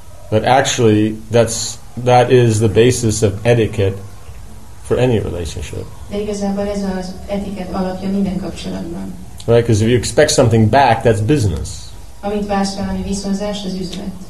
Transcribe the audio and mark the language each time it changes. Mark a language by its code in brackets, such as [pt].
[en] But actually, that is the basis of etiquette for any relationship. [hu] De igazából ez az etiket alapja minden kapcsolatban. [en] Right, because if you expect something back, that's business. [hu] Amit vársz valami visszahozás, az üzlet.